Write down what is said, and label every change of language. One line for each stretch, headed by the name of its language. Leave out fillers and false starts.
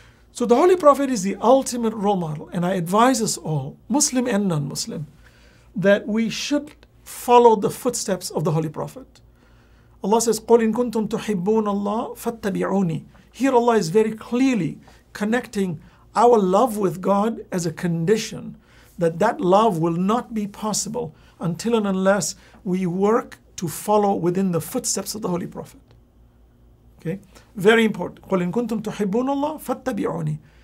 English: So the Holy Prophet is the ultimate role model, and I advise us all, Muslim and non-Muslim, that we should follow the footsteps of the Holy Prophet. Allah says,
Arabic: قُلْ إِن كُنْتُمْ تُحِبُّونَ اللَّهِ فَاتَّبِعُونِي.
English: Here Allah is very clearly connecting our love with God as a condition, that love will not be possible until and unless we work to follow within the footsteps of the Holy Prophet. Okay, very important.
Arabic: قُلْ إِن كُنْتُمْ تُحِبُّونَ اللَّهِ فَاتَّبِعُونِي.